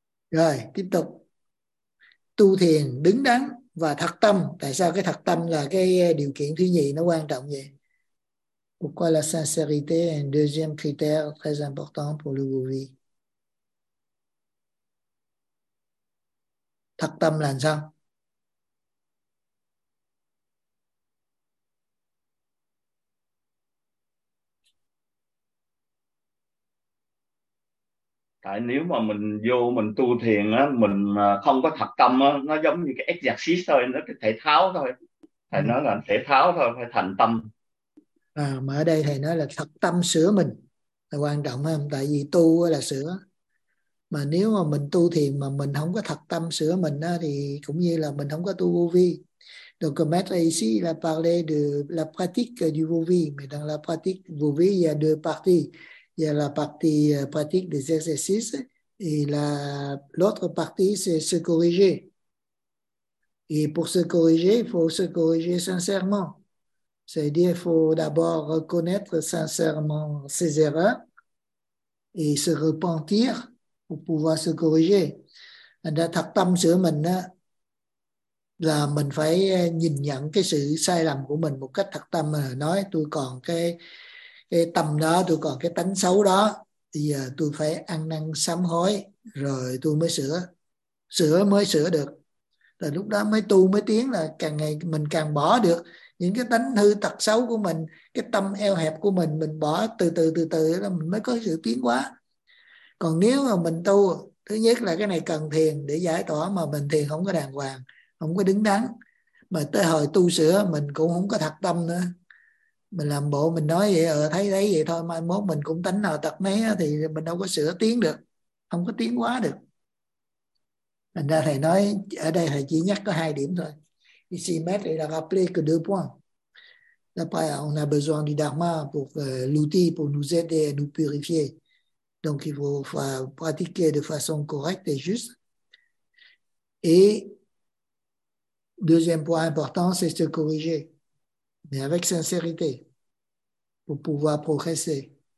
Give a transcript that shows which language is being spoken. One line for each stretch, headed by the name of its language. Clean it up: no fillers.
Vietnamese: Rồi tiếp tục. Tu thiền đứng đắn và thật tâm. Tại sao cái thật tâm là cái điều kiện thứ nhì nó quan trọng vậy?
French: Pourquoi la sincérité est un deuxième critère très important pour le bouvi?
Vietnamese: Thật tâm là sao? Tại nếu mà mình vô mình tu thiền á, mình không có thật tâm á, nó giống như cái exercise thôi, nó cái thể tháo thôi. Thầy nói là thể tháo thôi, phải thành tâm. À, mà ở đây thầy nói là thật tâm sửa mình là quan trọng không? Tại vì tu là sửa. Mà nếu mà mình tu thiền mà mình không có thật tâm sửa mình á, thì cũng như là mình không có tu vô vi.
French: Donc maître ici il a parlé de la pratique du vô vi. Mais dans la pratique du vô vi il y a deux parties. Il y a la partie pratique des exercices et l'autre partie, c'est se corriger. Et pour se corriger, il faut se corriger sincèrement. C'est-à-dire qu'il faut d'abord reconnaître sincèrement ses erreurs et se repentir pour pouvoir se corriger.
Vietnamese: Thật tâm sửa mình là mình phải nhìn nhận cái sự sai lầm của mình một cách thật tâm. Nói tôi còn cái tâm đó, tôi còn cái tánh xấu đó, thì giờ tôi phải ăn năn sám hối rồi tôi mới sửa được. Rồi lúc đó mới tu mới tiến, là càng ngày mình càng bỏ được những cái tánh hư tật xấu của mình, cái tâm eo hẹp của mình bỏ từ từ là mình mới có sự tiến hóa. Còn nếu mà mình tu, thứ nhất là cái này cần thiền để giải tỏa, mà mình thiền không có đàng hoàng, không có đứng đắn, mà tới hồi tu sửa mình cũng không có thật tâm nữa. Mình làm bộ mình nói vậy, thấy vậy thôi, mai mốt mình cũng tánh nào tật mấy, thì mình đâu có sửa tiến được, không có tiến hóa được. Thành ra thầy nói ở đây thầy chỉ nhắc có hai điểm thôi.
French: Ici maître il a rappelé que deux points. D'après, on a besoin du dharma pour l'outil pour nous aider à nous purifier. Donc il faut pratiquer de façon correcte et juste. Et deuxième point important, c'est se corriger, mais avec sincérité, pour pouvoir progresser.